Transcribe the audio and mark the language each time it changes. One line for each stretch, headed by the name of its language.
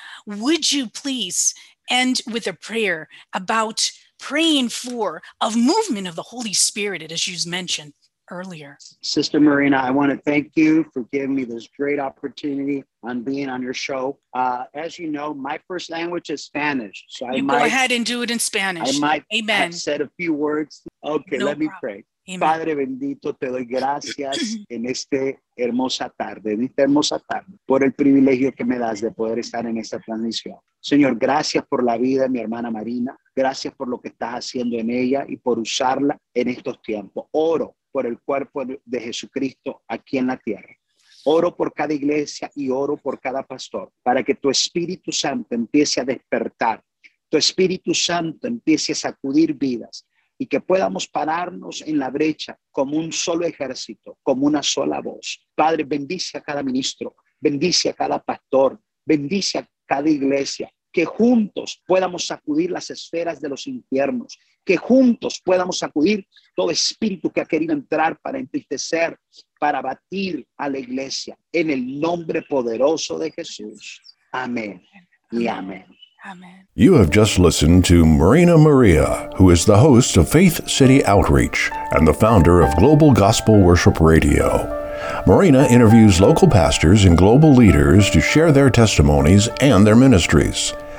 English: Would you please end with a prayer about praying for a movement of the Holy Spirit, as you mentioned earlier? Sister Marina, I want to thank you for giving me this great opportunity on being on your show. As you know, my first language is Spanish. So you go ahead and do it in Spanish. I might Amen. Have said a few words. Okay, no let me problem. Pray.
Spanish: Padre bendito, te doy gracias en esta hermosa tarde, en esta hermosa tarde, por el privilegio que me das de poder estar en esta transmisión. Señor, gracias por la vida de mi hermana Marina. Gracias por lo que estás haciendo en ella y por usarla en estos tiempos. Oro por el cuerpo de Jesucristo aquí en la tierra. Oro por cada iglesia y oro por cada pastor para que tu Espíritu Santo empiece a despertar. Tu Espíritu Santo empiece a sacudir vidas y que podamos pararnos en la brecha como un solo ejército, como una sola voz. Padre, bendice a cada ministro, bendice a cada pastor, bendice a cada iglesia, que juntos podamos sacudir las esferas de los infiernos, que juntos podamos sacudir todo espíritu que ha querido entrar para entristecer, para abatir a la iglesia, en el nombre poderoso de Jesús. Amén y amén.
English: Amen. You have just listened to Marina Maria, who is the host of Faith City Outreach and the founder of Global Gospel Worship Radio. Marina interviews local pastors and global leaders to share their testimonies and their ministries.